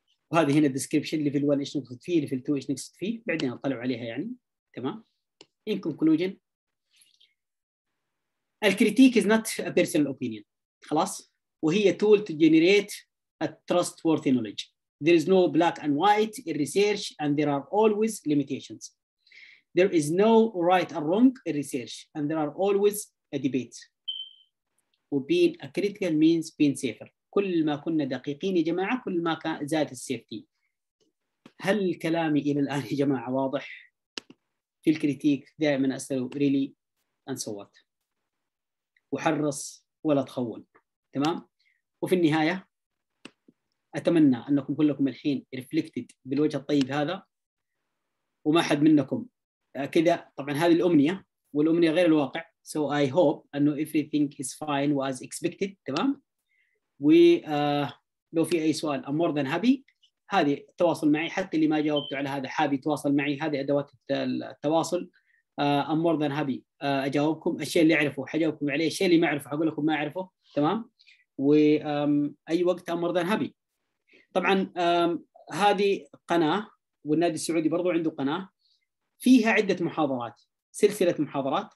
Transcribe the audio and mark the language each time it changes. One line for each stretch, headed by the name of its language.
Arabic: وهذه هنا الديسكريبشن ليفل 1 إيش نقصد فيه، ليفل 2 إيش نقصد فيه، بعدين أطلعوا عليها يعني، تمام.
English: In conclusion الكريتيك is not a personal opinion
Arabic: خلاص، وهي
English: tool to generate a trustworthy knowledge. There is no black and white in research and there are always limitations. There is no right or wrong in research and there are always a debate. وبين a critical means being safer.
Arabic: كل ما كنا دقيقين يا جماعة كل ما زاد السيفتي. هل كلامي إلى الآن يا جماعة واضح؟ في الكريتيك دائما أسأل
English: really and so what.
Arabic: وحرص ولا تخون، تمام؟ وفي النهاية أتمنى أنكم كلكم الحين
English: reflected
Arabic: بالوجه الطيب هذا، وما حد منكم كذا. طبعا هذه الأمنية والأمنية غير الواقع.
English: So I hope أنه everything is fine was expected،
Arabic: تمام؟ ولو في أي سؤال
English: I'm more than happy.
Arabic: هذه تواصل معي، حتى اللي ما جاوبت على هذا حابي تواصل معي، هذه أدوات التواصل.
English: I'm more than happy
Arabic: أجاوبكم الشيء اللي أعرفه، حجاوبكم عليه الشيء اللي ما أعرفه أقول لكم ما أعرفه، تمام؟ وأي وقت I'm more than happy. طبعاً هذه قناة، والنادي السعودي برضو عنده قناة فيها عدة محاضرات، سلسلة محاضرات.